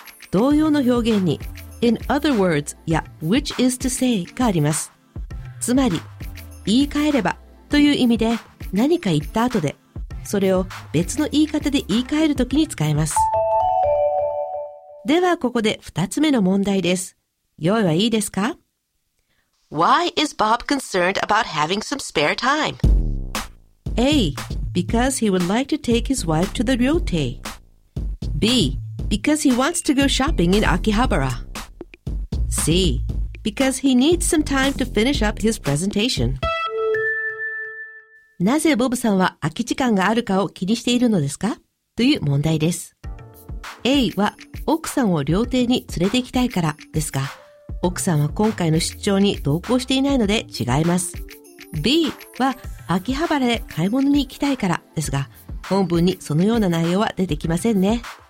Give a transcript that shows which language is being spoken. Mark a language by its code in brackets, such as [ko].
[ja] 同様の表現に [en] In other words [ja] や [en] Which is to say [ja] があります。つまり言い換えればという意味で、何か言った後でそれを別の言い方で言い換えるときに使えます。ではここで二つ目の問題です。用意はいいですか？ [en] Why is Bob concerned about having some spare time? A. Because he would like to take his wife to the ryotei. B. Because he wants to go shopping in Akihabara. C. Because he needs some time to finish up his presentation. [ja] なぜボブさんは空き時間があるかを気にしているのですか？という問題です。 A は奥さんを料亭に連れて行きたいからですが、奥さんは今回の出張に同行していないので違います。 B は秋葉原で買い物に行きたいからですが、本文にそのような内容は出てきませんね。